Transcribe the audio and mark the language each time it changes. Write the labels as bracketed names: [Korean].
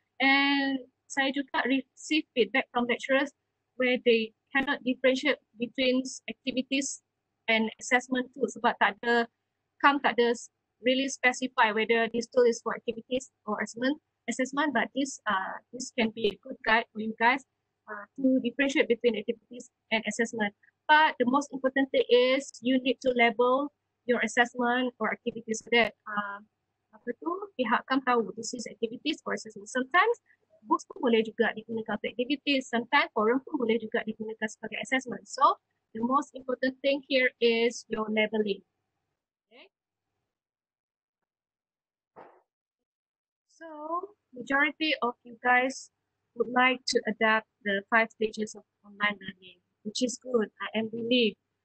[English] And [Malay] saya juga [English] receive feedback from lecturers where they cannot differentiate between activities and assessment tools [Malay] sebab tak ada [English] really specify whether this tool is for activities or assessment, but this can be a good guide for you guys to differentiate between activities and assessment. But the most important thing is you need to label your assessment or activities that [Malay] apa tu pihakkan tahu [English] this is activities or assessment. Sometimes books [Malay] pun boleh juga digunakan untuk [English] activities, sometimes forum [Malay] pun boleh juga digunakan sebagai [English] assessment. So the most important thing here is your labeling. So, majority of you guys would like to adapt the 5 stages of online learning, which is good, I am relieved.